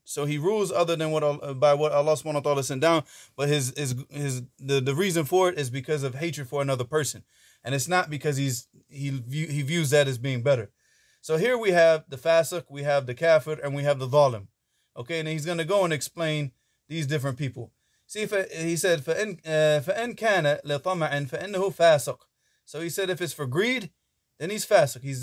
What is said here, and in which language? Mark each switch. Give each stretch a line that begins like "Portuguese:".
English: So he rules other than what by what Allah subhanahu wa ta'ala sent down. But the reason for it is because of hatred for another person. And it's not because he views that as being better. So here we have the fasiq, we have the kafir, and we have the zalim. Okay, and he's going to go and explain these different people. See, he said,
Arabic: فَإِنْ كَانَ لِطَمَعٍ فَإِنَّهُ فَاسِقٌ.
English: So he said, if it's for greed, then he's fasiq.